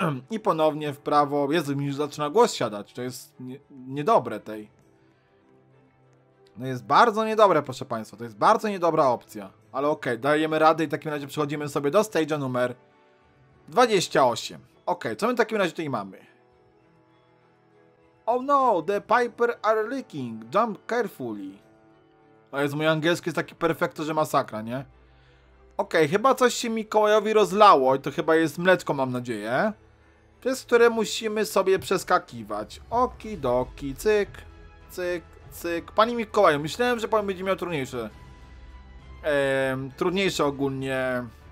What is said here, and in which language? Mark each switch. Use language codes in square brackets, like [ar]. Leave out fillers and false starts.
[pl] I ponownie w prawo. Jezu, mi już zaczyna głos siadać. To jest niedobre tej. To jest bardzo niedobre, proszę Państwa. To jest bardzo niedobra opcja. Ale okej, okay, dajemy radę i w takim razie przechodzimy sobie do stage'a numer 28. Okej, okay, co my w takim razie tutaj mamy? [en] Oh no, the piper are leaking. Jump carefully. [pl] O Jezu, mój angielski jest taki perfekto, że masakra, nie? Okej, okay, chyba coś się Mikołajowi rozlało i to chyba jest mleczko, mam nadzieję. Przez które musimy sobie przeskakiwać. Oki doki, cyk, cyk, cyk. Panie Mikołaju, myślałem, że pan będzie miał trudniejsze. Trudniejsze ogólnie.